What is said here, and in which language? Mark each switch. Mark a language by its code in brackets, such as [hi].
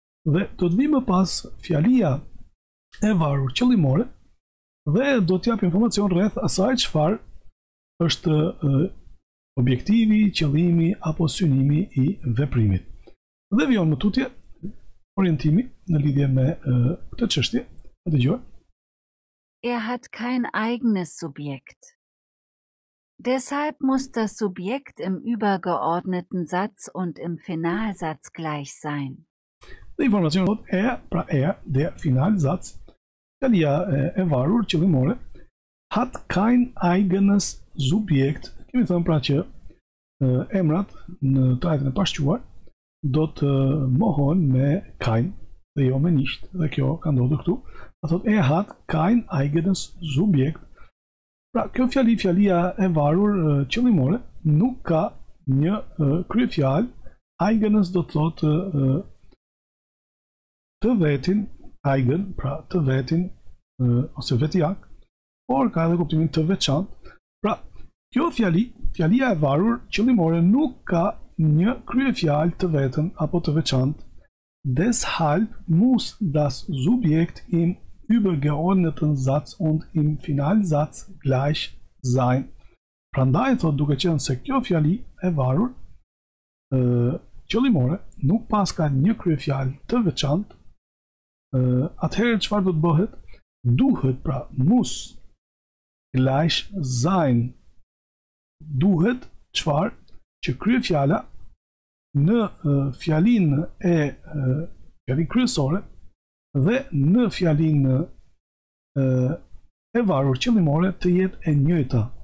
[sq] Dhe do të vi më pas fjalia e varur qëllimore, dhe do t'jap informacion rreth asaj çfarë është objektivi, qëllimi apo synimi i veprimit. Dhe vjen më tutje, orientimi në lidhje me këtë çështje. A dëgjoj? [de] Er hat kein eigenes Subjekt. Deshalb muss das Subjekt im übergeordneten Satz und im Finalsatz gleich sein. Die Information ist er, pra er, der Finalsatz, [sq] Kalia Evarur, Cilimore, [de] hat kein eigenes Subjekt. [sq] Kemi thënë pra që emrat në të ajtën e pashquar do të mohon me kein dhe jo me nicht. Dhe kjo ka ndodhë këtu. A thot, [de] er hat kein eigenes Subjekt. [sq] Pra, kjo fjali, fjalia e varur qëllimore, nuk ka një krye fjal, eigenes do të thot të vetin, eigen, pra të vetin, ose vetijak, por ka edhe kuptimin të veçant. Pra, kjo fjali, fjalia e varur qëllimore, nuk ka një krye fjal të vetën apo të veçant. [de] Deshalb muss das Subjekt im übergeordneten Satz und im Finalsatz gleich sein. [sq] Prandaj, thot, duke qenë se kjo fjali e varur, qëllimore, nuk pas ka një krye fjal të veçant, atëherë çfar do të bëhet? Duhet, pra, mus, gleich sein, duhet çfar që krye fjala në fjalin e fjalin kryesore dhe në fjalin e varur qëllimore të jetë e njëjta.